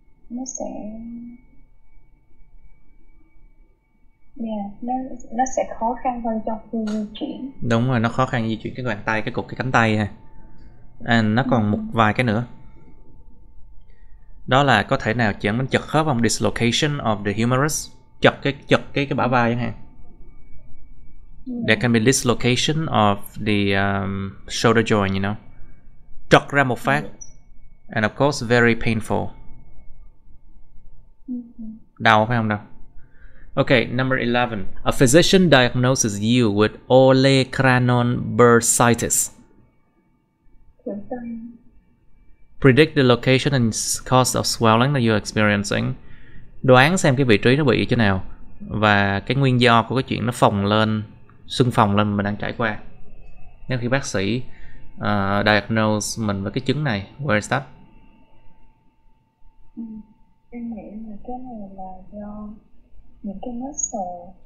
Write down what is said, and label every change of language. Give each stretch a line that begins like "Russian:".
Vietnamese: Nó sẽ khó khăn hơn trong khi di chuyển. Đúng rồi, nó khó khăn di chuyển cái bàn tay, cái cục cái cánh tay ha. And nó còn một vài cái nữa. Đó là có thể nào chẳng đến chật khớp không?
English: Dislocation of the humerus.
Vietnamese: Chật cái bả vai chẳng hạn.
English: There can be dislocation of the shoulder joint, you know.
Vietnamese: Trật ra một phát.
English: And of course very painful.
Vietnamese: Đau phải không đâu?
English: Okay, number 11. A physician diagnoses you with olecranon bursitis. Predict the location and cause of swelling that you're experiencing.
Vietnamese: Đoán xem cái vị trí nó bị chỗ nào và cái nguyên do của cái chuyện nó phồng lên, sưng phồng lên mình đang trải qua. Nếu khi bác sĩ diagnose mình với cái chứng này,
English: where is that?
Vietnamese: Em nghĩ là cái này là do những cái muscle.